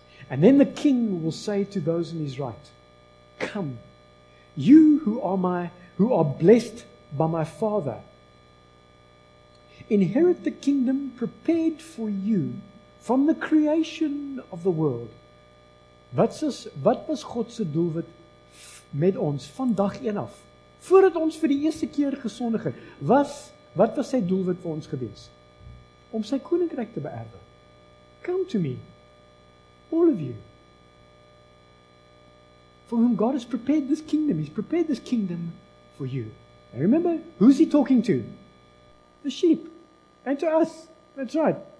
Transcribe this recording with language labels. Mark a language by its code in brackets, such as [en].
[en] And then the king will say to those on his right, come, you who are blessed by my Father, inherit the kingdom prepared for you from the creation of the world. [af] Wat was God se doelwit met ons van dag een af? Voordat ons vir die eerste keer gesondig het, wat was sy doelwit vir ons gewees? Om sy koninkryk te beërwe. [en] Come to me, all of you, for whom God has prepared this kingdom. He's prepared this kingdom for you. And remember, who's he talking to? The sheep. And to us. That's right.